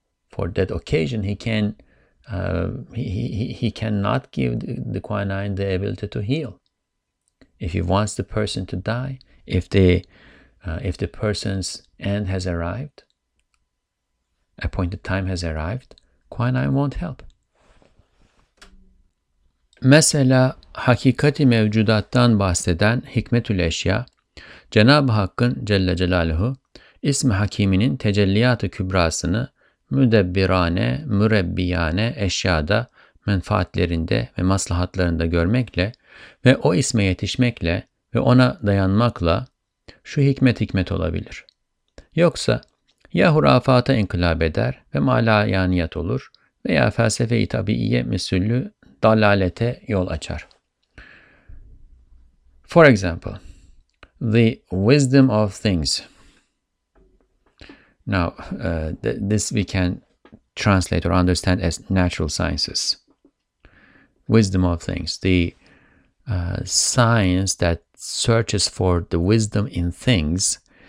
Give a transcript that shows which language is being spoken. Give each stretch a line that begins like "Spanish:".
English: For that occasion, he cannot give the quinine the ability to heal. If he wants the person to die, if the person's end has arrived, appointed time has arrived, quinine won't help.
Turkish: Mesela hakikati mevcudattan bahseden Hikmetül Eşya, Cenab-ı Hakk'ın Celle Celaluhu ismi hakiminin tecelliyat-ı kübrasını müdebbirane, mürebbiyane eşyada, menfaatlerinde ve maslahatlarında görmekle ve o isme yetişmekle ve ona dayanmakla şu hikmet hikmet olabilir. Yoksa ya hurafata inkılap eder ve malayaniyat olur veya felsefe-i tabiiye misüllü dalalete yol açar.
English: For example, the wisdom of things. Now, this we can translate or understand as natural sciences. Wisdom of things. The science that searches for the wisdom in things.